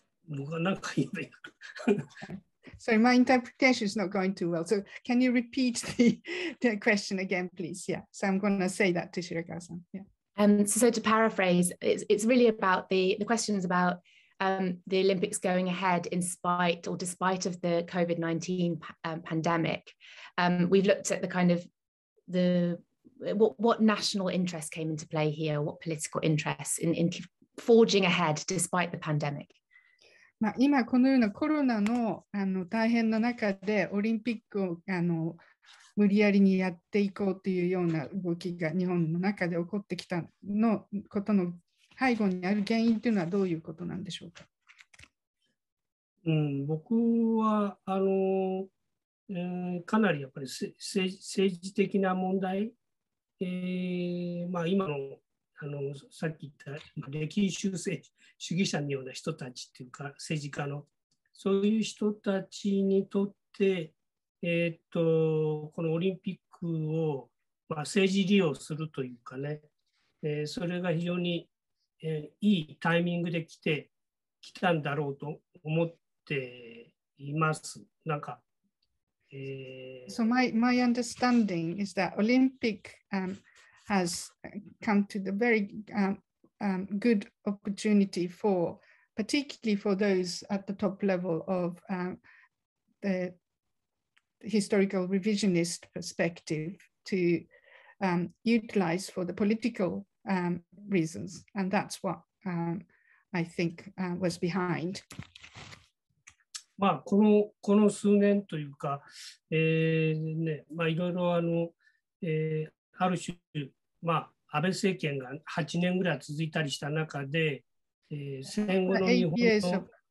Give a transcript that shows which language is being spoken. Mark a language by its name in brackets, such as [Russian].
[Japanese] 僕はなんか言えばいいのか? [English] Sorry, my interpretation is not going too well. So can you repeat the question again, please? Yeah, so I'm going to say that to Shirakawa-san. Yeah. So to paraphrase, it's really about the question is about the Olympics going ahead in spite or despite of the COVID-19 pandemic. We've looked at the kind of the what national interest came into play here, what political interest in forging ahead despite the pandemic. [Japanese] まあ、今このようなコロナ の大変な中でオリンピックを無理やりにやっていこうというような動きが日本の中で起こってきたのことの背後にある原因というのはどういうことなんでしょうか。うん、僕はかなりやっぱり政治的な問題、今のさっき言った歴史修正主義者のような人たちっていうか政治家のそういう人たちにとってこのオリンピックを、まあ、政治利用するというかね、それが非常に、いいタイミングで来たんだろうと思っています。なんか、 [English] So my understanding is that Olympic has come to the very good opportunity for, particularly for those at the top level of the historical revisionist perspective to utilize for the political reasons. And that's what I think was behind. [Japanese] まあ、この数年というか、ね、まあ、いろいろある種、まあ、安倍政権が8年ぐらい続いたりした中で、戦後の日本の